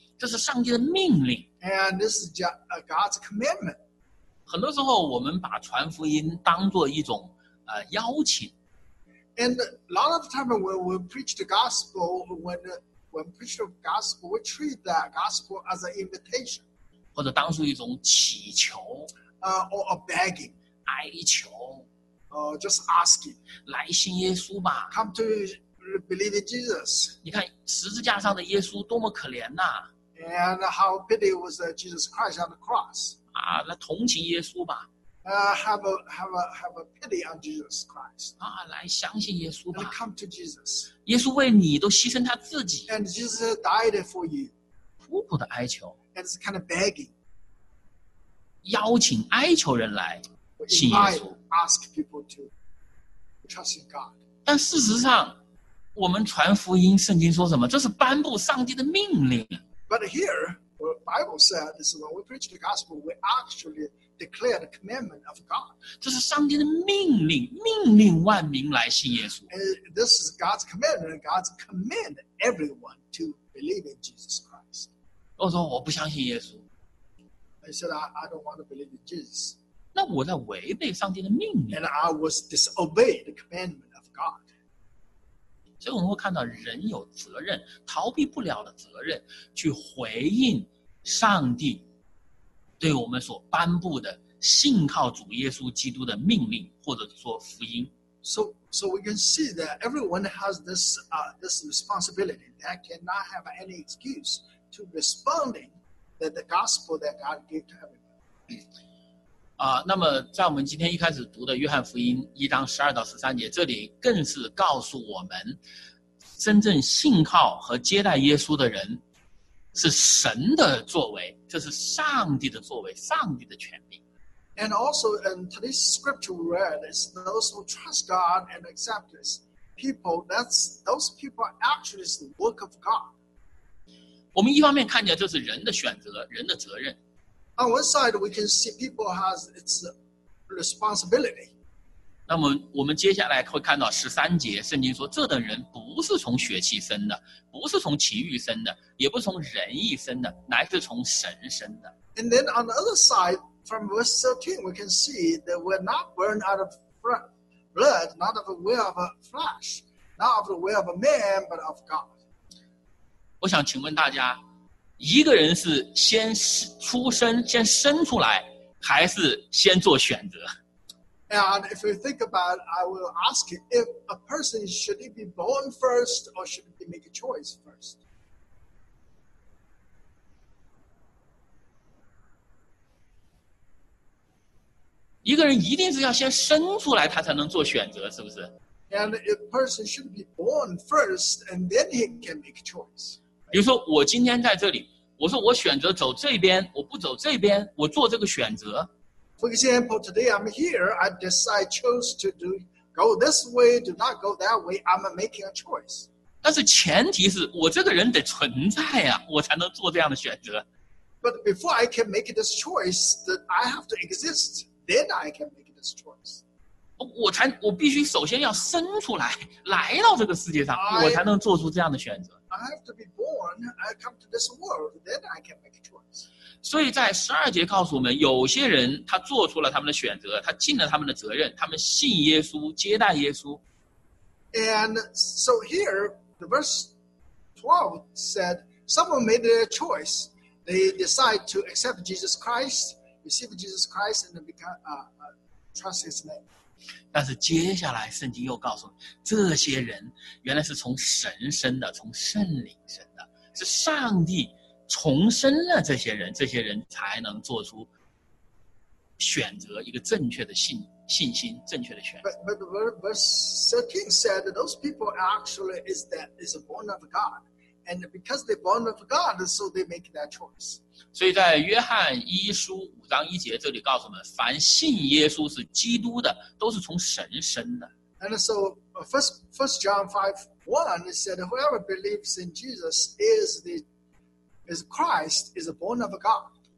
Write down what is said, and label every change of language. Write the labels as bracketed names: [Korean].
[Chinese] 这是上帝的命令。 [English] And this is God's commandment. [Chinese] 很多时候我们把传福音当作一种邀请。 [English] And a lot of time when we preach the gospel, when we preach the gospel, we treat that gospel as an invitation. [Chinese] 或者当作一种祈求。 [English] Or a begging. [Chinese] 哀求。 [English] Just asking. [Chinese] 来信耶稣吧。 [English] Come to believe in Jesus. [Chinese] 你看十字架上的耶稣多么可怜呐。 [English] And how pity was Jesus Christ on the cross. [Chinese] 啊，来同情耶稣吧。 [English] Have a pity on Jesus Christ. [Chinese] 来相信耶稣吧。 [English] And come to Jesus. [Chinese] 耶稣为你都牺牲他自己。 [English] And Jesus died for you. [Chinese] 苦苦的哀求。 [English] And it's kind of begging. [Chinese] 邀请哀求人来。信耶稣。 [English] Ask people to trust in God. [Chinese] 但事实上，我们传福音，圣经说什么？这是颁布上帝的命令。 [English] But here, the Bible says when we preach the gospel, we actually declare the commandment of God. [Chinese] 这是上帝的命令，命令万民来信耶稣。 [English] This is God's commandment. God commands everyone to believe in Jesus Christ. [Chinese] 我说我不相信耶稣。 [English] I said I don't want to believe in Jesus. [Chinese] 那我在违背上帝的命令。 [English] And I was disobeyed the commandment of God. [Chinese] 所以我们会看到人有责任，逃避不了的责任，去回应上帝对我们所颁布的信靠主耶稣基督的命令，或者说福音。 [English] So we can see that everyone has this responsibility. They cannot have any excuse to responding that the gospel that God gave to everyone. [Chinese] 那么在我们今天一开始读的约翰福音一章十二到十三节，这里更是告诉我们，真正信靠和接待耶稣的人是神的作为，这是上帝的作为，上帝的权柄。 [English] And also in today's scripture we read is those who trust God and accept his people, those people are actually the work of God. [Chinese] 我们一方面看见这是人的选择，人的责任。 [English] On one side, we can see people has its responsibility. [Chinese] 那么我们接下来会看到十三节，圣经说这等人不是从血气生的，不是从情欲生的，也不是从人意生的，乃是从神生的。 [English] And then on the other side, from verse 13, we can see that we're not born out of blood, not of the will of a flesh, not of the will of a man, but of God. [Chinese] 我想请问大家，一个人是先出生，先生出来，还是先做选择？ [English] And if you think about it, I will ask you, if a person should he be born first or should he make a choice first? [Chinese] 一个人一定是要先生出来，他才能做选择，是不是？ [English] And a person should be born first and then he can make a choice. [Chinese] 比如说我今天在这里，我说我选择走这边，我不走这边，我做这个选择。 [English] For example, today I'm here. I decide chose to do go this way, do not go that way. I'm making a choice. [Chinese] 但是前提是我这个人得存在呀，我才能做这样的选择。 [English] But before I can make this choice, that I have to exist, then I can make this choice. [Chinese] 我必须首先要生出来，来到这个世界上，我才能做出这样的选择。 [English] I have to be born. I come to this world, then I can make a choice. [Chinese] 所以在十二节告诉我们，有些人他做出了他们的选择，他尽了他们的责任，他们信耶稣，接待耶稣。 [English] And so here, the verse 12 said, someone made their choice. They decide to accept Jesus Christ, receive Jesus Christ, and trust his name. [Chinese] 但是接下来圣经又告诉这些人原来是从神生的，从圣灵生的，是上帝重生了这些人，这些人才能做出选择，一个正确的信心，正确的选择。 [English] But verse 13 said that those people actually is born of God, and because they're born of God, so they make that choice. [Chinese] 所以在约翰一书章一节这里告诉我们，凡信耶稣是基督的，都是从神生的。 [English] And so first John 5:1 said, whoever believes in Jesus is Christ, is born of God.